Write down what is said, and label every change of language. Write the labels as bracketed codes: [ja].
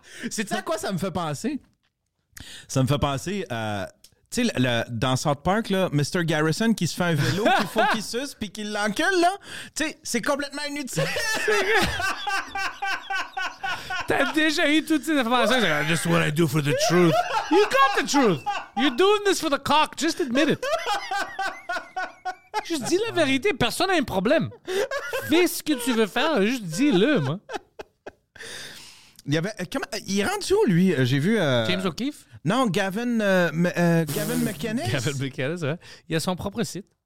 [fr] C'est à quoi ça me fait penser? Ça me fait penser à. Tu sais, dans South Park, là, Mr. Garrison qui se fait un vélo, qu'il faut qu'il suce, puis qu'il l'encule, là. Tu sais, c'est complètement inutile. T'as déjà eu toutes ces informations. [en] Like, just what I do for the truth. You got the truth. You're doing this for the cock. Just admit it. [fr] Juste dis la vérité. Personne n'a un problème. Fais ce que tu veux faire. Juste dis-le, moi. Il y avait. Il rentre où, lui? J'ai vu. James O'Keefe? Non, Gavin McInnes. Gavin McInnes, ouais. Il a son propre site.